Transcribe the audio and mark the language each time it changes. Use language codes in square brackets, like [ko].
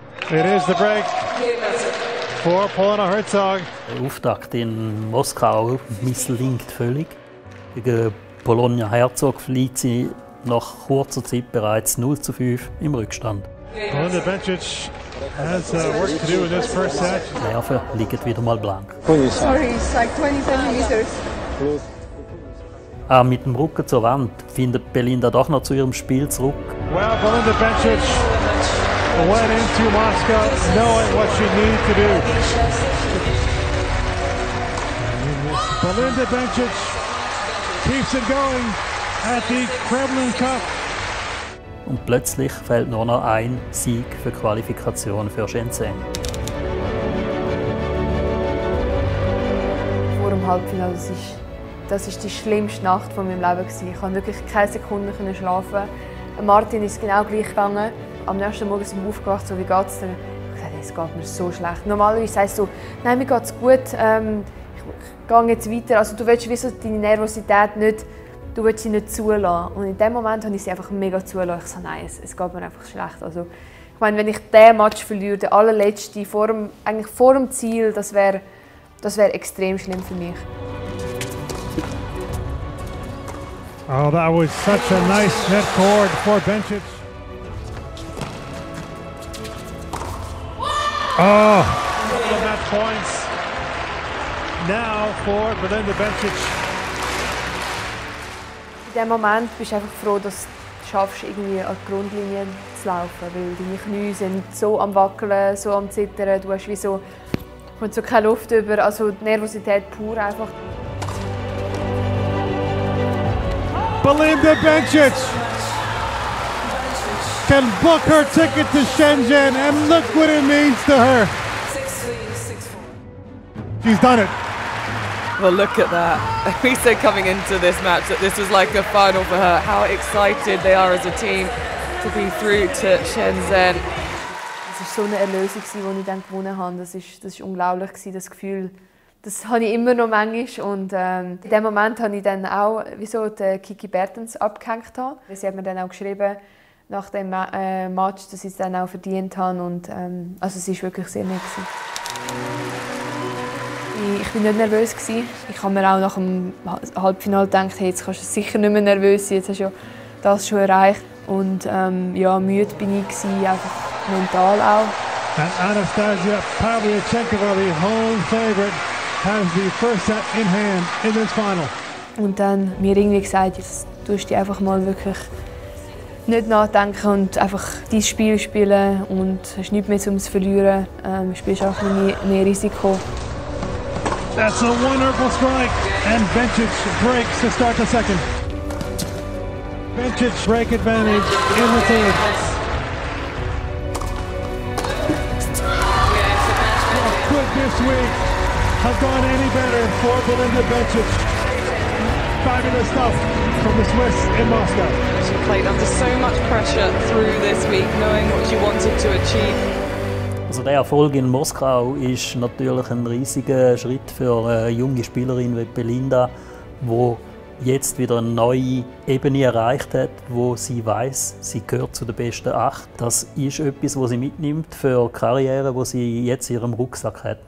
[en] It is the break. [de] Vor Paulina Herzog. Der Auftakt in Moskau misslingt völlig. Gegen Paulina Herzog fliegt sie nach kurzer Zeit bereits 0-5 im Rückstand. [en] Paulina Bencic has work to do in this first set. [de] Die Nerven liegen wieder mal blank. [en] Sorry, it's like 20 cm. [de] Aber mit dem Rücken zur Wand findet Belinda doch noch zu ihrem Spiel zurück. [en] Well, Paulina Bencic went into Moscow knowing what she needed to do. Belinda Bencic keeps it going at the Kremlin Cup. [de] und plötzlich fällt nur noch ein Sieg für die Qualifikation für Shenzhen. Vor dem Halbfinale, das ist die schlimmste Nacht von meinem Leben gewesen. Ich konnte wirklich keine Sekunde schlafen. Martin ist genau gleich gegangen. Am nächsten Morgen sind wir aufgewacht, so wie geht's denn? Ich dachte, es geht mir so schlecht. Normalerweise sagst du, nein, mir geht's gut. Ich gehe jetzt weiter. Also, du willst wissen, deine Nervosität nicht, du willst sie nicht zulassen. Und in dem Moment habe ich sie einfach mega zulassen. Ich sage, nein, es geht mir einfach schlecht. Also, ich meine, wenn ich den Match verliere, den allerletzten, vor dem Ziel, das wäre extrem schlimm für mich. [en] Oh, that was such a nice net cord for Bencic. Oh, that points. Now for Belinda Bencic. [de] In dem Moment bist du einfach froh, dass du schaffst, irgendwie an die Grundlinie zu laufen, weil deine Knie sind so am Wackeln, so am Zittern. Du hast so keine Luft über, also die Nervosität pur einfach. [en] Belinda Bencic can book her ticket to Shenzhen and look what it means to her. 6-3, 6-4. She's done it. Well, look at that. We said coming into this match that this was like a final for her. How excited they are as a team to be through to Shenzhen. [de] Das war so eine Erlösung, die ich dann gewonnen habe. Das ist unglaublich gewesen, das Gefühl. Das habe ich immer noch manchmal. Und in dem Moment habe ich dann auch wieso den Kiki Bertens abgehängt. Sie hat mir dann auch geschrieben, nach dem Match, dass ich es dann auch verdient habe. Und, also es war wirklich sehr nett gewesen. Ich war nicht nervös. Ich habe mir auch nach dem Halbfinale gedacht, hey, jetzt kannst du sicher nicht mehr nervös sein, jetzt hast du das schon erreicht. Und ja, müde bin ich, einfach mental auch. [en] And Anastasia Pavlyuchenkova, the home favorite, has the first set in hand in this final. [de] Und dann mir irgendwie gesagt, jetzt tust du einfach mal wirklich nicht nachdenken und einfach dein Spiel spielen und hast nichts mehr zum Verlieren. Du spielst auch ein bisschen mehr Risiko. [en] That's a wonderful strike, and Bencic breaks to start the second. Bencic break advantage in the third. Could this week have gone any better for Belinda Bencic? Fabulous stuff from the Swiss in Moscow. She played under so much pressure through this week, knowing what she wanted to achieve. [de] Also der Erfolg in Moskau ist natürlich ein riesiger Schritt für eine junge Spielerin wie Belinda, die jetzt wieder eine neue Ebene erreicht hat, wo sie weiß, sie gehört zu den besten 8. Das ist etwas, was sie mitnimmt für die Karriere, die sie jetzt in ihrem Rucksack hat.